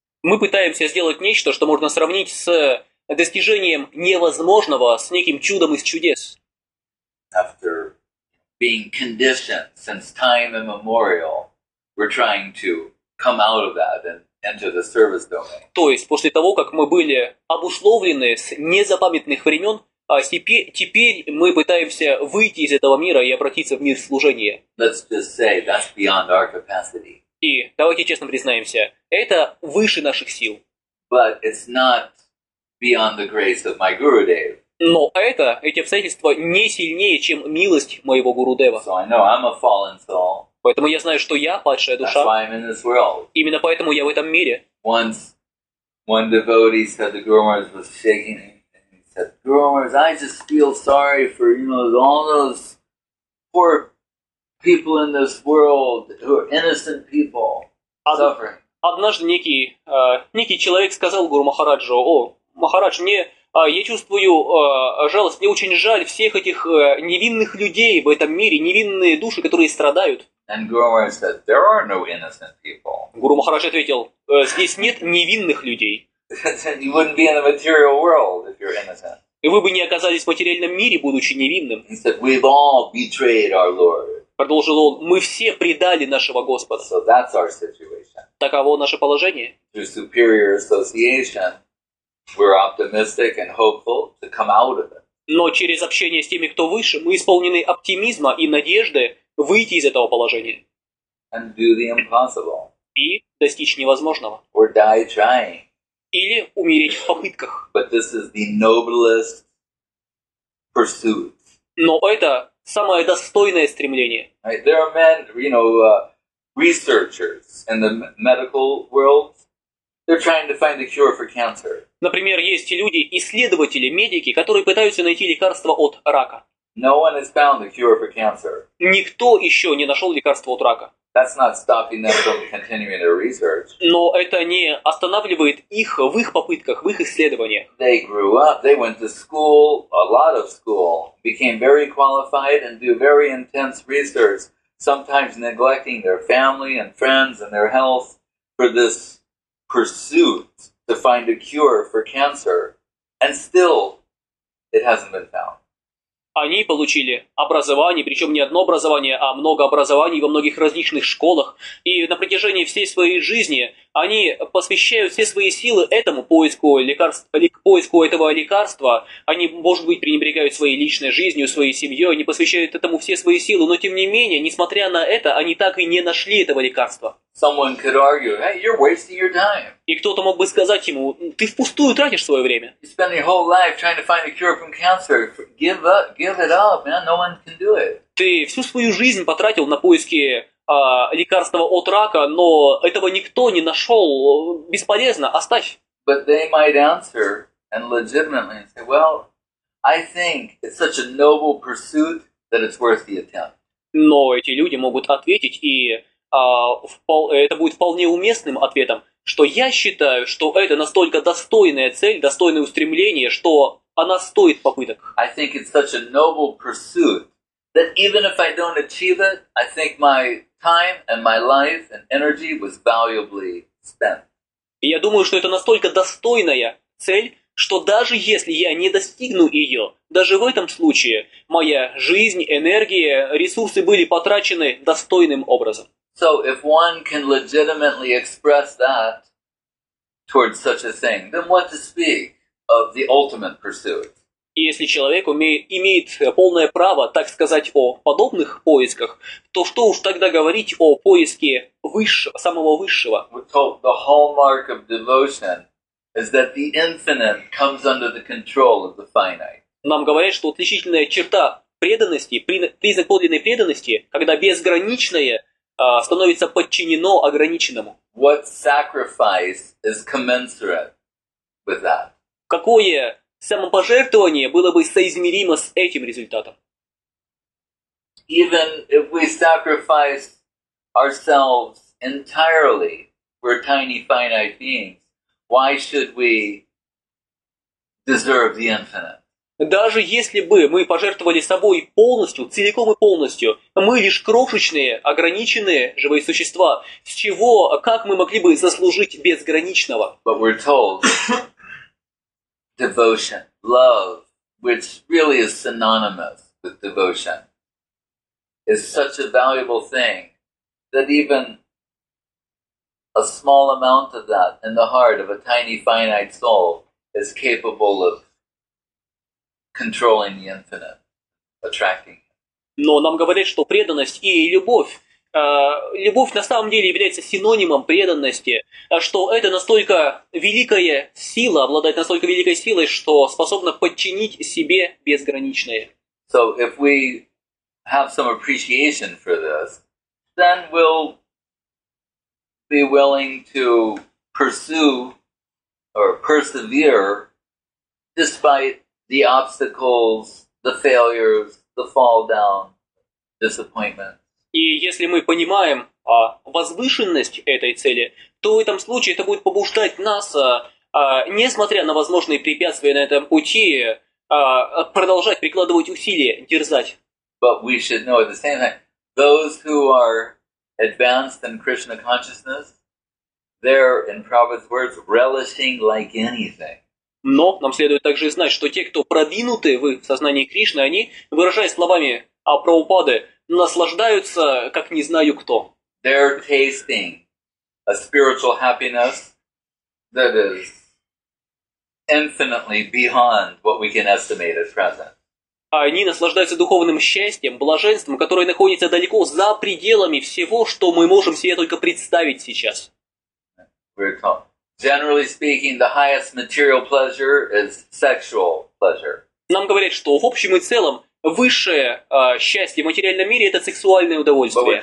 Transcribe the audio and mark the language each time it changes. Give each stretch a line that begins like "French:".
Russian: Мы пытаемся сделать нечто, что можно сравнить с достижением невозможного, с неким чудом из чудес.
English: After being conditioned since time immemorial, we're trying to come out of that and enter the service domain.
Russian: То есть после того, как мы были обусловлены с незапамятных времен. А теперь мы пытаемся выйти из этого мира и обратиться в мир служения.
English: Let's just say, that's beyond our capacity.
Russian: И давайте честно признаемся, это выше наших сил.
English: But it's not beyond the grace of my Guru Dev.
Russian: Но эти обстоятельства не сильнее, чем милость моего Гуру Дева.
English: So I know I'm a fallen soul.
Russian: Поэтому я знаю, что я падшая душа.
English: That's why I'm in this world.
Russian: Именно поэтому я в этом мире.
English: Once one devotee said the Guru Maharaj was shaking him. Guru Maharaj, I just feel sorry for all those poor people in this world who are innocent people suffering.
Russian: Однажды некий человек сказал Гуру Махараджу: «О, Махарадж, мне я чувствую жалость, мне очень жаль всех этих невинных людей в этом мире, невинные души, которые страдают».
English: And Guru Maharaj said, "There are no innocent people."
Russian: Гуру Махарадж ответил: «Здесь нет невинных людей».
English: You wouldn't be in the material world if you're innocent.
Russian: И вы бы не оказались в материальном мире, будучи невинным.
English: He said, "We've all betrayed our Lord."
Russian: Продолжил он: "Мы все предали нашего Господа."
English: So that's our situation.
Russian: Таково наше положение.
English: Through superior association, we're optimistic and hopeful to come out of it.
Russian: Но через общение с теми, кто выше, мы исполнены оптимизма и надежды выйти из этого положения.
English: And do the impossible.
Russian: И достичь невозможного.
English: Or die trying.
Russian: Или умереть в попытках.
English: But this is the noblest pursuit.
Russian: Но это самое достойное стремление.
English: Right? There are men, researchers in the medical world. They're trying to find the cure for cancer.
Russian: Например, есть люди, исследователи, медики, которые пытаются найти лекарство от рака.
English: No one has found the cure for cancer.
Russian: Никто еще не нашел лекарство от рака.
English: That's not stopping them from continuing their research.
Russian: Но это не останавливает их в их попытках, в их исследованиях.
English: They grew up, they went to school, a lot of school, became very qualified and do very intense research, sometimes neglecting their family and friends and their health for this pursuit to find a cure for cancer. And still, it hasn't been found.
Russian: Они получили образование, причем не одно образование, а много образований во многих различных школах. И на протяжении всей своей жизни они посвящают все свои силы этому поиску поиску этого лекарства. Они, может быть, пренебрегают своей личной жизнью, своей семьей, они посвящают этому все свои силы. Но тем не менее, несмотря на это, они так и не нашли этого лекарства.
English: Someone could argue, hey, you're wasting your time.
Russian: И кто-то мог бы сказать ему: ты впустую тратишь свое время.
English: You spend your whole life trying to find a cure from cancer. Give it up, man. No one can do it.
Russian: Ты всю свою жизнь потратил на поиски лекарства от рака, но этого никто не нашел. Бесполезно. Оставь.
English: But they might answer and legitimately say, well, I think it's such a noble pursuit that it's worth the attempt.
Russian: Но эти люди могут ответить, и это будет вполне уместным ответом, что я считаю, что это настолько достойная цель, достойное устремление, что она стоит попыток.
English: I think it's such a noble pursuit that even if I don't achieve it, I think my time and my life and energy was valuably spent.
Russian: И я думаю, что это настолько достойная цель, что даже если я не достигну ее, даже в этом случае моя жизнь, энергия, ресурсы были потрачены достойным образом.
English: So if one can legitimately express that towards such a thing, then what to speak of the ultimate pursuit?
Russian: И если человек имеет полное право так сказать о подобных поисках, то что уж тогда говорить о поиске высшего, самого высшего?
English: The hallmark of devotion is that the infinite comes under the control of the finite.
Russian: Нам говорят, что отличительная черта преданности, признак подлинной преданности, когда безграничное становится подчинено ограниченному.
English: What sacrifice is commensurate with that?
Russian: Какое самопожертвование было бы соизмеримо с этим результатом?
English: Even if we sacrifice ourselves entirely, we're tiny finite beings. Why should we deserve the infinite?
Russian: Даже если бы мы пожертвовали собой полностью, целиком и полностью, мы лишь крошечные, ограниченные живые существа. С чего, как мы могли бы заслужить безграничного?
English: But we're told devotion, love, which really is synonymous with devotion, is such a valuable thing that even a small amount of that in the heart of a tiny finite soul is capable of controlling the infinite, attracting.
Russian: Но нам говорят, что преданность и любовь, любовь на самом деле является синонимом преданности, что это настолько великая сила, обладает настолько великой силой, что способна подчинить себе безграничное.
English: So if we have some appreciation for this, then we'll be willing to pursue or persevere despite the obstacles, the failures, the fall down, disappointment.
Russian: И если мы понимаем возвышенность этой цели, то в этом случае это будет побуждать нас, несмотря на возможные препятствия на этом пути, продолжать прикладывать усилия, дерзать.
English: But we should know at the same time, those who are advanced in Krishna consciousness, they're, in Prabhupada's words, relishing like anything.
Russian: Но нам следует также знать, что те, кто продвинуты в сознании Кришны, они, выражаясь словами Прабхупады, наслаждаются, как не знаю кто.
English: They're tasting a spiritual happiness that is infinitely beyond what we can estimate at present.
Russian: Они наслаждаются духовным счастьем, блаженством, которое находится далеко за пределами всего, что мы можем себе только представить сейчас.
English: Generally speaking, the highest material pleasure is sexual pleasure.
Russian: Нам говорят, что в общем и целом высшее счастье в материальном мире это сексуальное удовольствие.